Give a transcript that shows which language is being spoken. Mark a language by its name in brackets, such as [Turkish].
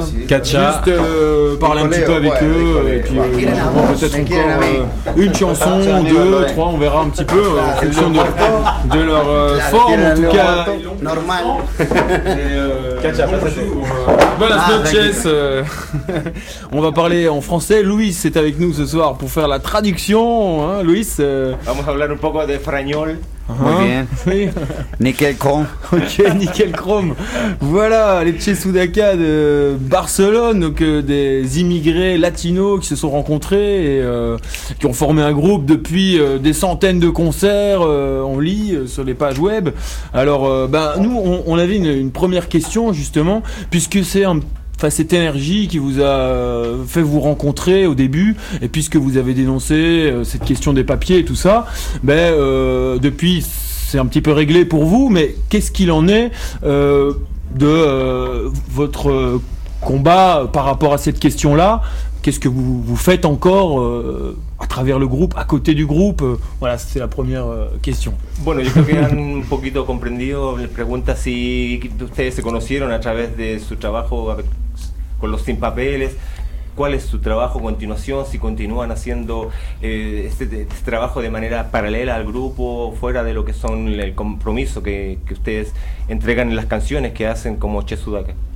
[French] juste parler un petit peu avec eux, et puis peut-être encore une chanson, deux, trois, on verra un petit peu en fonction de leur forme, en tout cas. Normal. Katia, passez-vous. Bonne chance. On va parler en français. Luis est avec nous ce soir pour faire la traduction. Hein, Luis. [Spanish] Vamos a hablar un poco de frañol. Muy bien. [French] Oui. Nickel Chrome. Ok, Nickel Chrome. Voilà, les Chesudaka de Barcelone, donc des immigrés latinos qui se sont rencontrés et qui ont formé un groupe depuis des centaines de concerts, on lit sur les pages web. Alors, nous, on avait une première question, justement, puisque c'est cette énergie qui vous a fait vous rencontrer au début, et puisque vous avez dénoncé cette question des papiers et tout ça, depuis c'est un petit peu réglé pour vous, mais qu'est-ce qu'il en est votre combat par rapport à cette question-là? Qu'est-ce que vous faites encore à travers le groupe, à côté du groupe? Voilà, c'est la première question. [Spanish] Bueno, yo creo que han un poquito comprendido. Les pregunta si ustedes se conocieron a través de su trabajo con los sin papeles. ¿Cuál es su trabajo a continuación? Si continúan haciendo este trabajo de manera paralela al grupo, fuera de lo que son el compromiso que ustedes entregan en las canciones que hacen como Chesudaka.